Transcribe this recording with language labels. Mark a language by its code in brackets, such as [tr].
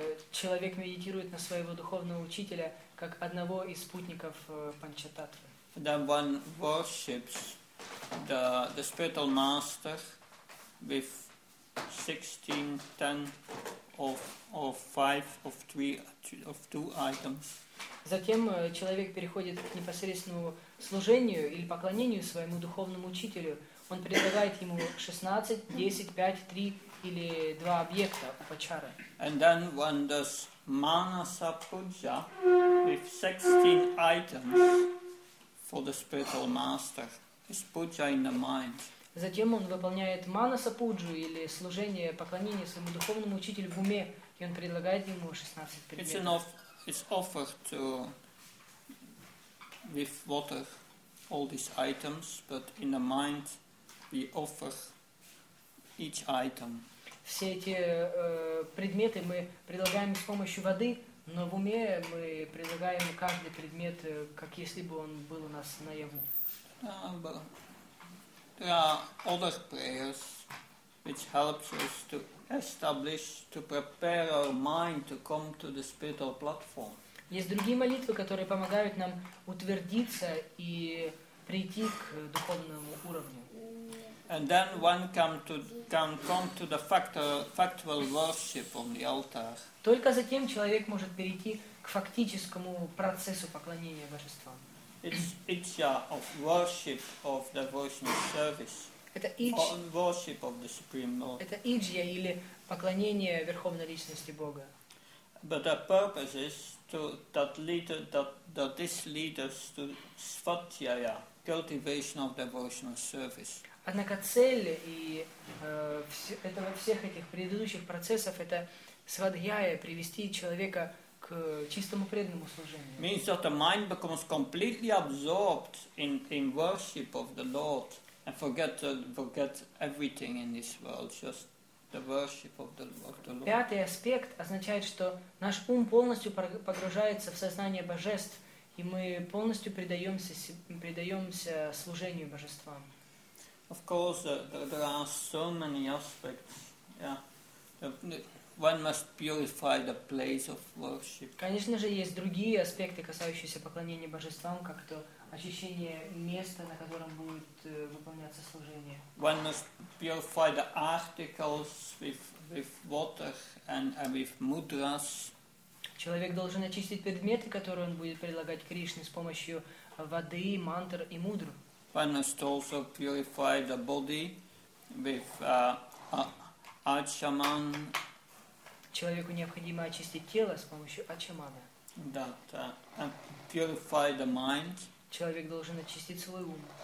[ru] Человек медитирует на своего духовного учителя как одного из спутников Панчататвы. [en] Then one worships the spiritual master with 16, 10 of 5 of 3 of 2 items. [ru] Затем человек переходит к непосредственному служению или поклонению своему духовному учителю. Он предлагает ему 16, 10, 5, 3 или 2 объекта упачары. [en] And then one does manasa puja with 16 items. For the spiritual master, his puja in the mind. [ru] Затем он выполняет манаса пуджу или служение поклонение своему духовному учителю в уме, и он предлагает ему 16 предметов. [en] It's offered to with water all these items, but in the mind we offer each item. [ru] Все эти предметы мы предлагаем с помощью воды. Но в уме мы предлагаем каждый предмет, как если бы он был у нас наяву. [en] there are other prayers which helps us to establish, to prepare our mind to come to the spiritual platform. [ru] Есть другие молитвы, которые помогают нам утвердиться и прийти к духовному уровню. [en] And then one can come to the factual worship on the altar. [ru] Только затем человек может перейти к фактическому процессу поклонения божествам. [en] It's of worship of devotional service. [ru] Это [en] worship of the Supreme Lord. [ru] Это иджья или поклонение верховной личности Бога. [en] But the purpose is that this leads us to svatyaya, cultivation of devotional service. [ru] Однако цель и этого всех этих предыдущих процессов это свадхьяя, привести человека к чистому преданному служению. [en] Means that the mind becomes completely absorbed in worship of the Lord and forget everything in this world, just the worship of the Lord. [ru] Пятый аспект означает, что наш ум полностью погружается в сознание божеств, и мы полностью предаемся служению божествам. [en] Of course, there are so many aspects. Yeah, one must purify the place of worship. [ru] Конечно же, есть другие аспекты, касающиеся поклонения божествам, как то очищение места, на котором будет выполняться служение. [en] One must purify the articles with water and with mudras. [ru] Человек должен очистить предметы, которые он будет предлагать Кришне с помощью воды, мантр и мудр. [en] One must also purify the body with achaman. [ru] Человеку необходимо очистить тело с помощью ачамана. Да, да. [en] And purify the mind. [ru] Человек должен очистить свой ум.